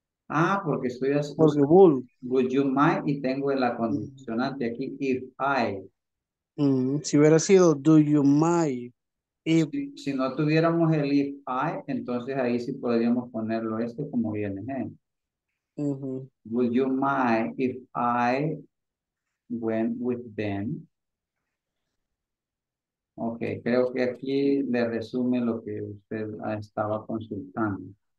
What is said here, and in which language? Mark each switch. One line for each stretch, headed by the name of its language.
Spanish: Ah, porque estoy haciendo. Porque would.
English: Would you mind?
Spanish: Y tengo en la condicionante aquí,
English: if I.
Spanish: Si hubiera sido,
English: do you mind? If...
Spanish: Si no tuviéramos el if I, entonces ahí sí podríamos ponerlo este como viene.
English: Would you mind if I went with them?
Spanish: Ok, creo que aquí le resume lo que usted estaba consultando.